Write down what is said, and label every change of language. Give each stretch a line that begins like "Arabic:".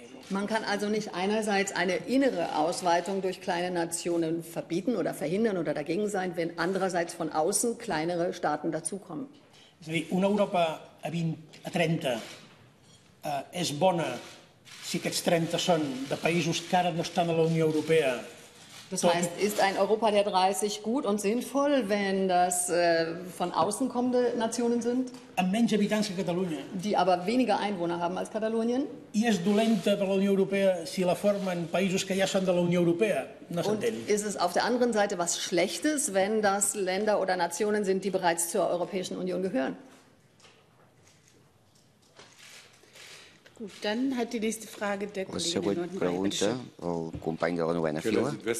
German: Man kann also nicht einerseits eine innere Ausweitung durch kleine Nationen verbieten oder verhindern oder dagegen sein, wenn andererseits von außen kleinere Staaten dazukommen. Es ist eine Europa a 20, a 30.
Catalan: És bona si aquests 30 són de països que ara no estan a la Unió Europea.
German: Das heißt, ist ein Europa der 30 gut und sinnvoll, wenn das von außen kommende Nationen sind?
Catalan: Amb menys habitants que Catalunya.
German: Die aber weniger Einwohner haben als Katalonien.
Catalan: I és dolenta per la Unió Europea si la formen països que ja són de la Unió Europea? No s'entén.
German: Und ist es auf der anderen Seite was Schlechtes, wenn das Länder oder Nationen sind, die bereits zur Europäischen Union gehören? Gut, dann hat die nächste Frage der Kollegin.
Catalan: La següent pregunta, el company de la novena fila.